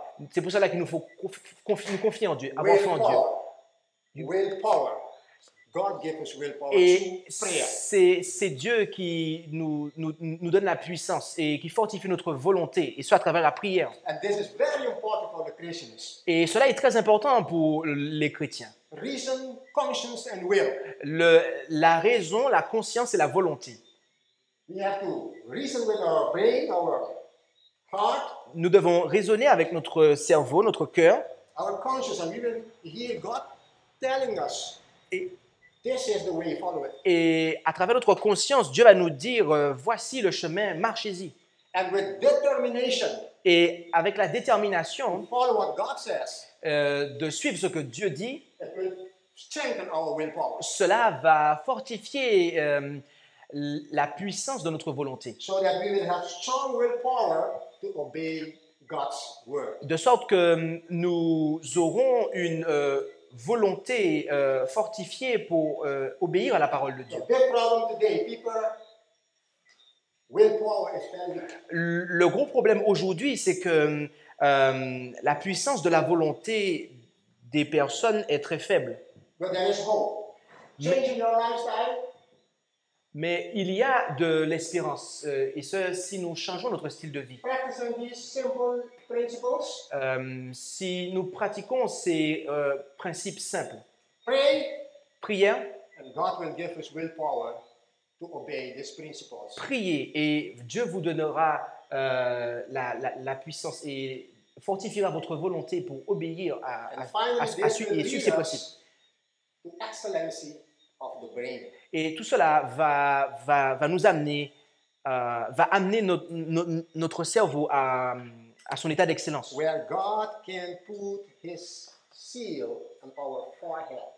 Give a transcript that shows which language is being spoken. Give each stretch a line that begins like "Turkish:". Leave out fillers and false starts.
French: C'est pour cela qu'il nous faut confier en Dieu, avoir foi en Dieu.
English: Willpower. God gave us willpower.
French: Et c'est Dieu qui nous donne la puissance et qui fortifie notre volonté, et ce à travers la prière.
English: And this is very important for the Christians.
French: Et cela est très important pour les chrétiens.
English: Reason, conscience and will.
French: La raison, la conscience et la volonté.
English: We have to reason with our brain, our heart.
French: Nous devons raisonner avec notre cerveau, notre cœur.
English: Our conscience, and we will hear God telling us, this is the way, follow it.
French: Et à travers notre conscience, Dieu va nous dire, voici le chemin, marchez-y.
English: And with determination,
French: et avec la détermination,
English: to follow what God says,
French: de suivre ce que Dieu dit,
English: it will strengthen our willpower.
French: Cela va fortifier la puissance de notre volonté.
English: So that we will have strong willpower to obey God's word.
French: De sorte que nous aurons une volonté fortifiée pour obéir à la parole de Dieu.
English: The big problem today, people, willpower is very weak.
French: Le gros problème aujourd'hui, c'est que la puissance de la volonté des personnes est très faible.
English: But there is hope. Changing your lifestyle.
French: Mais il y a de l'espérance, et ce, si nous changeons notre style de vie.
English: Practicing these simple principles.
French: Si nous pratiquons ces principes simples.
English: Pray.
French: Prière.
English: And God will give us willpower to obey these principles.
French: Priez, et Dieu vous donnera la puissance et fortifiera votre volonté pour obéir à suivre ces principes.
English: To excellency of the brain.
French: Et tout cela va nous amener, va amener notre cerveau à son état d'excellence.
English: Where God can put his seal on our forehead.